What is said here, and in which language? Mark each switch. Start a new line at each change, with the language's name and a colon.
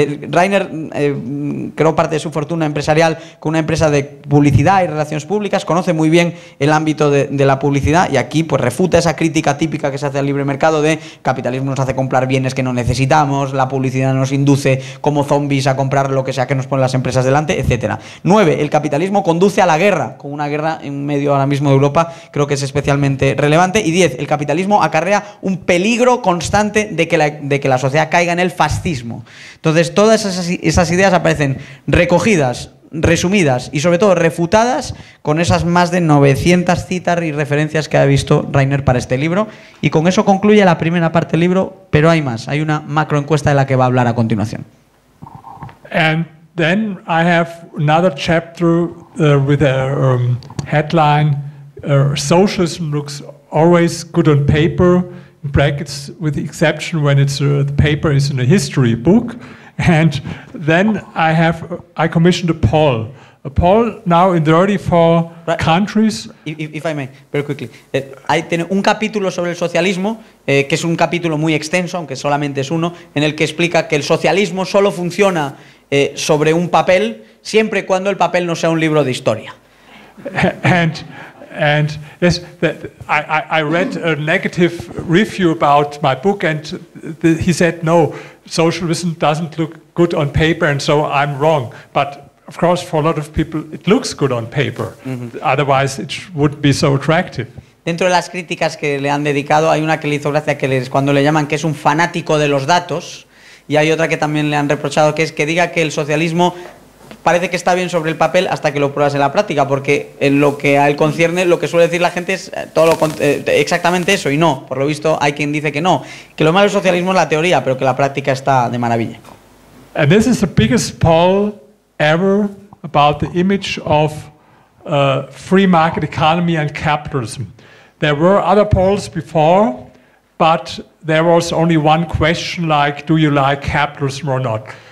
Spanish: Rainer creó parte de su fortuna empresarial con una empresa de publicidad y relaciones públicas. Conoce muy bien el ámbito de la publicidad y aquí pues refuta esa crítica típica que se hace al libre mercado de capitalismo nos hace comprar bienes que no necesitamos, la publicidad nos induce como zombies a comprar lo que sea que nos ponen las empresas delante, etc. 9. El capitalismo conduce a la guerra, con una guerra en medio ahora mismo de Europa, creo que es especialmente relevante. Y 10. El capitalismo acarrea un peligro constante de que la sociedad caiga en el fascismo. Entonces, todas esas ideas aparecen recogidas, resumidas y, sobre todo, refutadas con esas más de 900 citas y referencias que ha visto Rainer para este libro. Y con eso concluye la primera parte del libro, pero hay más. Hay una macroencuesta de la que va a hablar a continuación.
English: And then I have another chapter with a headline, Socialism looks always good on paper, in brackets, with the exception when it's the paper is in a history book. And then I commissioned a poll. A poll now in 34 right. countries. If I may, very quickly.
Spanish: Hay un capítulo sobre el socialismo, que es un capítulo muy extenso, aunque solamente es uno, en el que explica que el socialismo solo funciona sobre un papel, siempre y cuando el papel no sea un libro de historia.
English: And yes, I read a negative review about my book, and he said, no, socialism doesn't look good on paper, and so I'm wrong. But of course, for a lot of people, it looks good on paper. Mm-hmm. Otherwise, it wouldn't be so attractive.
Spanish: Dentro de las críticas que le han dedicado, hay una que le hizo gracia, que es cuando le llaman que es un fanático de los datos, y hay otra que también le han reprochado, que es que diga que el socialismo parece que está bien sobre el papel hasta que lo pruebas en la práctica, porque en lo que a él concierne, lo que suele decir la gente es todo exactamente eso, y no, por lo visto hay quien dice que no, que lo malo del socialismo es la teoría, pero que la práctica está de maravilla.
English: And this is the biggest poll ever about the image of free market economy and capitalism. There were other polls before, but there was only one question like, do you like capitalism or not?